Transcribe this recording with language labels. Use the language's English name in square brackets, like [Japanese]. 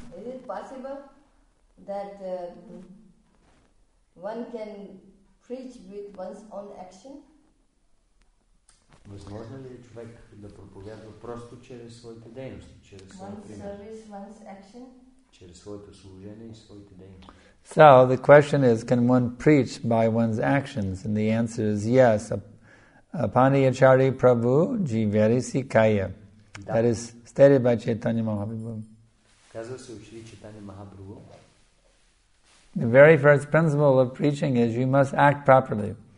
[English] Is it possible that one can preach with one's own action? [Bulgarian] Възможно ли човек да проповядва просто чрез своите дейности, чрез своя пример? [English] One's service, one's action. [Bulgarian] Чрез своето служение и своите дейности. [English] So the question is, can one preach by one's actions? And the answer is yes. [Sanskrit] Paniyachari Prabhu Jivari Sikaya. [English] That is stated by Chaitanya Mahaprabhu. The very first principle of preaching is you must act properly.